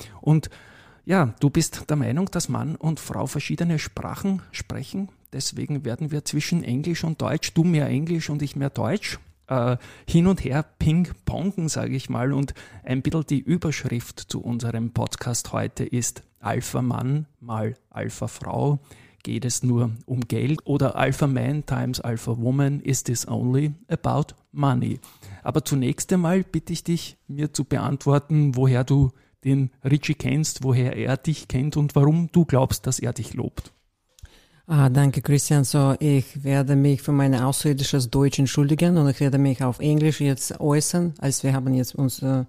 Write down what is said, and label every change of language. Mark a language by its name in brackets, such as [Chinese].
[German] Und ja, du bist der Meinung, dass Mann und Frau verschiedene Sprachen sprechen. Deswegen werden wir zwischen Englisch und Deutsch, du mehr Englisch und ich mehr Deutsch, hin und her ping-pongen, sage ich mal. Und ein bisschen die Überschrift zu unserem Podcast heute ist Alpha-Mann mal Alpha-Frau. Geht es nur um Geld? Oder [English] Alpha-Man times Alpha-Woman, is this only about money? [German] Aber zunächst einmal bitte ich dich, mir zu beantworten, woher du den Richie kennst, woher er dich kennt und warum du glaubst, dass er dich lobt. Ah, danke, Christian. So, ich werde mich für meine ausländisches Deutsch entschuldigen und ich werde mich auf Englisch jetzt äußern, als wir haben jetzt uns